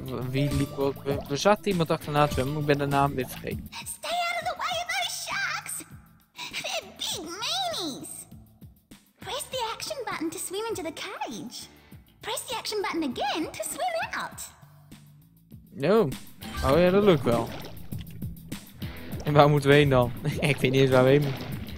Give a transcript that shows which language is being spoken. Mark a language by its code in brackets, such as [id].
[nl] Wie liep ook? We zaten iemand achterna te zwemmen, maar ik ben de naam weer vergeten. [en] Stay out of the way of those sharks! They're big meanies! Press the action button to swim into the cage. Press the action button again to swim out. [nl] Oh, oh ja, dat lukt wel. En waar moeten we heen dan? Ik weet niet eens waar we heen moeten.